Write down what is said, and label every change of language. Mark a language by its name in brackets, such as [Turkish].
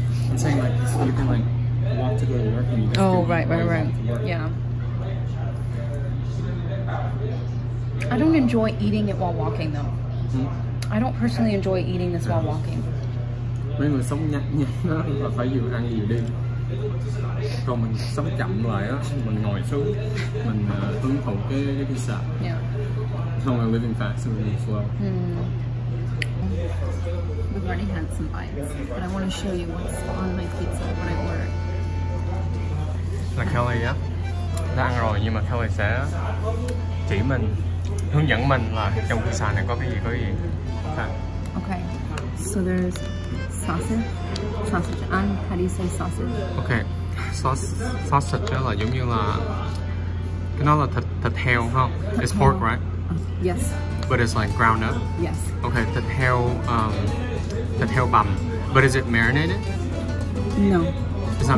[English] I'm saying like so you can like walk to go to work and you can. Oh right. Yeah. I don't enjoy eating it while walking though. I don't personally enjoy eating this while walking. [Vietnamese] Mấy người sống nhanh nhanh đó là phải vừa ăn vừa đi. Còn mình sống chậm lại á, mình ngồi xuống, mình hưởng thụ cái pizza. [English] Yeah. [Vietnamese] Không là [English] living fast, so we're slow. We've already had some bites, but I want to show you what's on my pizza when I order. [Vietnamese] Là Kelly á, đã ăn rồi nhưng mà Kelly sẽ chỉ mình, hướng dẫn mình là trong pizza này có cái gì, có cái gì. [English] Okay, so there's sausage, and how do you say sausage? [Vietnamese] Okay, sausage là giống như là, cái nó là thịt heo không? [English] It's pork, right? Yes. But it's like ground up? Yes. Okay, the tail bum. But is it marinated? No. It's not